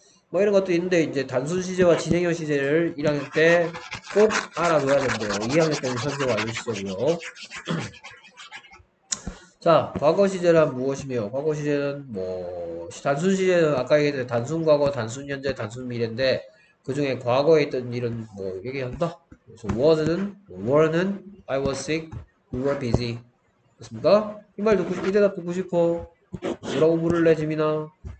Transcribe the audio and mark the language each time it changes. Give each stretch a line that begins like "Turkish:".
Korean: 뭐 이런 것도 있는데 이제 단순 시제와 진행형 시제를 1학년 때 꼭 알아둬야 된대요. 2학년 때는 현재와 일시적이요. 자, 과거 시제란 무엇이며? 과거 시제는 뭐 단순 시제는 아까 얘기했던 단순 과거, 단순 현재, 단순 미래인데 그 중에 과거에 있던 일은 뭐 얘기한다. 그래서
English: was는 were는 I was sick, you were busy.
Korean: 됐습니까? 이 말 듣고 이 대답 듣고 싶어. 뭐라고 물을래 지민아?